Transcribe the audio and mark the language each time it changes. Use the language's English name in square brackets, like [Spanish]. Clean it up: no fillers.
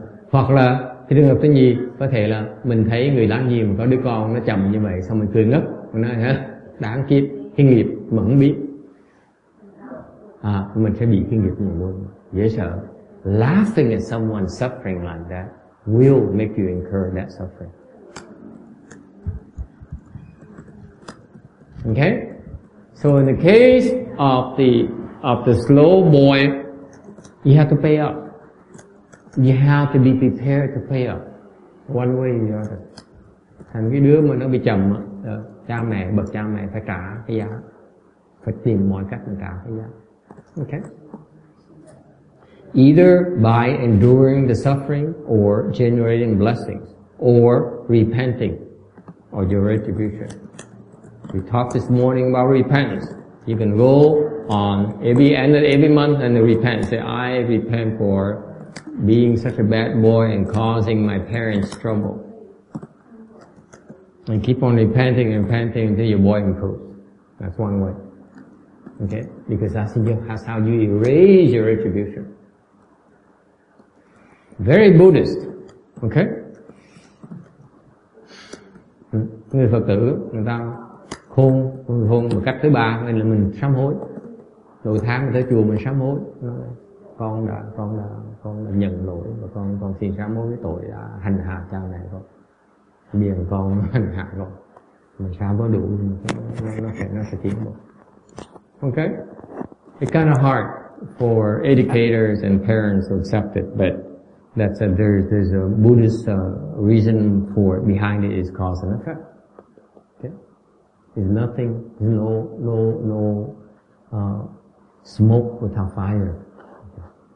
[Vietnamese] Hoặc là, cái trường hợp thứ nhì, có thể là mình thấy người láng giềng mà có đứa con nó chậm như vậy, xong mình cười ngất, mình nói, đáng kiếp, cái nghiệp mà không biết. Mình sẽ bị cái nghiệp nhiều luôn. Dễ sợ. [English] Laughing at someone suffering like that will make you incur that suffering. Okay? So in the case of the slow boy, you have to pay up. You have to be prepared to pay up. One way or the other. [Vietnamese] Thành cái đứa mà nó bị chậm, cha mẹ, bậc cha mẹ phải trả cái giá. Phải tìm mọi cách để trả cái giá. [English] Okay. Either by enduring the suffering or generating blessings or repenting or your retribution. We talked this morning about repentance. You can go on every end of every month and repent. Say, I repent for being such a bad boy and causing my parents trouble. And keep on repenting and repenting until your boy improves. That's one way. Okay, because that's how you erase your retribution. Very Buddhist. Okay? [Vietnamese] Người Phật tử, người ta khôn, người khôn một cách thứ ba, nên là mình sám hối. Đầu tháng tới chùa mình sám hối. Con đã nhận lỗi, và con xin sám hối cái tội hành hạ cha mẹ con. Điền con hành hạ con. Mình sám hối đủ, nó sẽ tiến bộ. [English] Okay? It's kind of hard for educators and parents to accept it, but that said, there's a Buddhist reason for it. Behind it is cause and effect. Okay? There's nothing, no smoke without fire. Okay.